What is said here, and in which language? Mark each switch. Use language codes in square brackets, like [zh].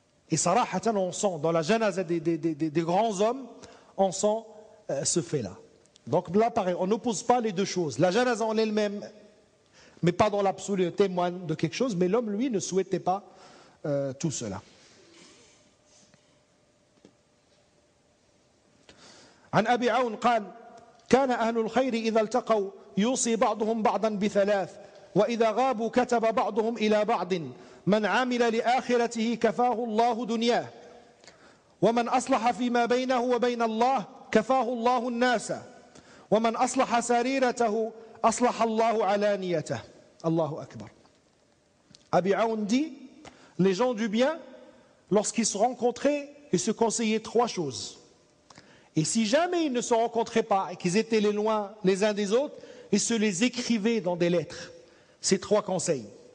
[fr] Et sarahatan, on sent, dans la janaza des grands hommes, on sent ce fait-là. Donc là, pareil, on n'oppose pas les deux choses. La janaza en elle-même, mais pas dans l'absolu, témoigne de quelque chose, mais l'homme, lui, ne souhaitait pas tout cela. [ar] An Abi Aoun قال كان أهل الخير إذا التقوا يوصي بعضهم بعضا بثلاث وإذا غابوا كتب بعضهم إلى بعض من عمل لآخرته كفاه الله دنياه ومن أصلح فيما بينه وبين الله كفاه الله الناس ومن أصلح سريرته أصلح الله علانيته الله أكبر. [fr] أبي عون dit, les gens du bien, lorsqu'ils se rencontraient, ils se conseillaient trois choses. Et si jamais ils ne se rencontraient pas et qu'ils étaient les loin les uns des autres, ils se les écrivaient dans des lettres, ces trois conseils.